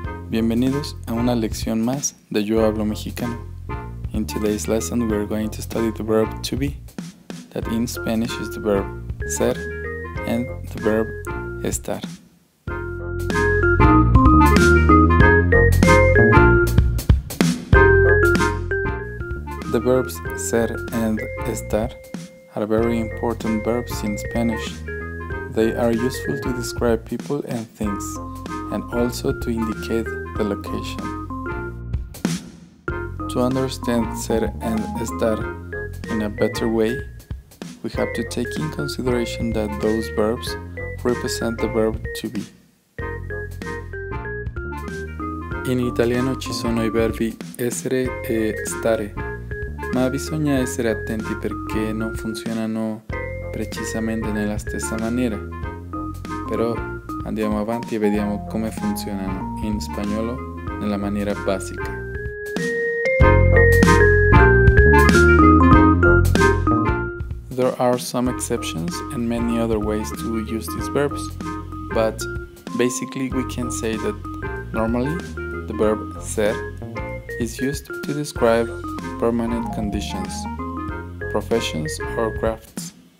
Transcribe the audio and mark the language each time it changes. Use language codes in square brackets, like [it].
[es] Bienvenidos a una lección más de Yo Hablo Mexicano. [en] In today's lesson, we are going to study the verb to be, that in Spanish is the verb ser and the verb estar. The verbs ser and estar are very important verbs in Spanish. They are useful to describe people and things, and also to indicate the location. To understand ser and estar in a better way, we have to take in consideration that those verbs represent the verb to be. [it] In italiano ci sono I verbi essere e stare, ma bisogna essere attenti perché non funzionano precisamente nella stessa maniera. Però andiamo avanti e vediamo come funzionano in spagnolo nella maniera basica. [en] There are some exceptions and many other ways to use these verbs, but basically we can say that normally the verb ser is used to describe permanent conditions, professions or crafts.